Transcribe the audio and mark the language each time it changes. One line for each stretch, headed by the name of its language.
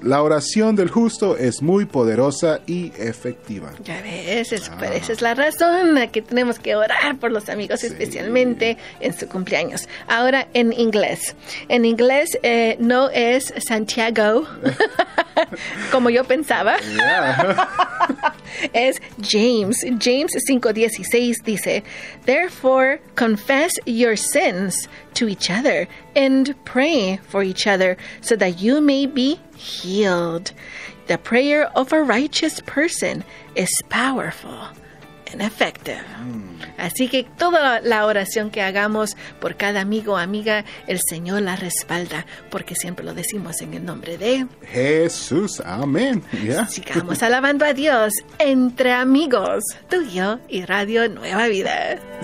Spanish: La oración del justo es muy poderosa y efectiva. Ya ves, esa es la razón que tenemos que orar por los amigos, sí, especialmente en su cumpleaños. Ahora, en inglés. En inglés no es Santiago, como yo pensaba. Es James.
English: James 5:16 dice, "Therefore, confess your sins to each other and pray for each other so that you may be healed. The prayer of a righteous person is powerful and effective."
Spanish: Así que toda la oración que hagamos por cada amigo o amiga, el Señor la respalda, porque siempre lo decimos en el nombre de Jesús. Amén. Yeah. Sigamos alabando a Dios entre amigos, tú y yo y Radio Nueva Vida.